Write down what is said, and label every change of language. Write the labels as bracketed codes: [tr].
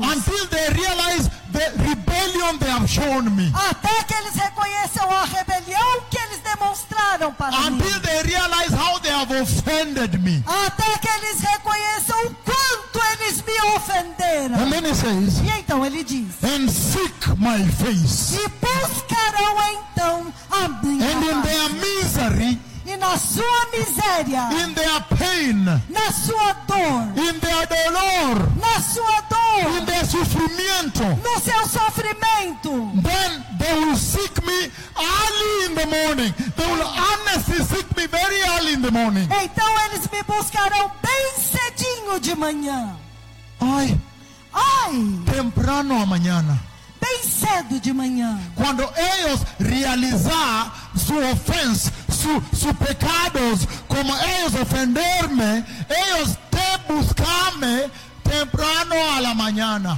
[en] Until they realize the rebellion they have shown me. [pt] Até que eles reconheçam a rebelião que eles demonstraram para [en] Until [pt] mim. [en] Until they realize how they have offended me. [pt] Até que eles reconheçam quanto eles me ofenderam. [en] And then he says, [pt] e então ele diz, [en] and seek my face. [pt] E buscarão então a minha [en] and in their misery, [pt] e na sua miséria, [en] in their pain, [pt] na sua dor, [en] in their dolor, [pt] na sua dor, [en] in their sofrimento, [pt] no seu sofrimento, [en] then they will seek me early in the morning. They will honestly seek me very early in the morning. [pt] Então eles me buscarão bem cedinho de manhã. Ai, temprano amanhã. Bem cedo de manhã. Quando eles realizar sua ofensa, seus pecados, como eles ofender-me, eles te buscar-me temprano à manhã.